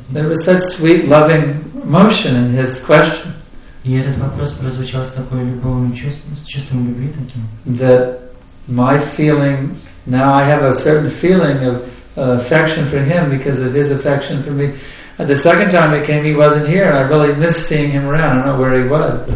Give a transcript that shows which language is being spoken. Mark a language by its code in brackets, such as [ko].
[en] There was such sweet, loving emotion in his question. [ru] И этот вопрос прозвучал с такой любовным чувством любви таким. [en] That my feeling now I have a certain feeling of affection for him because of his affection for me. The second time it came, he wasn't here, and I really missed seeing him around. I don't know where he was.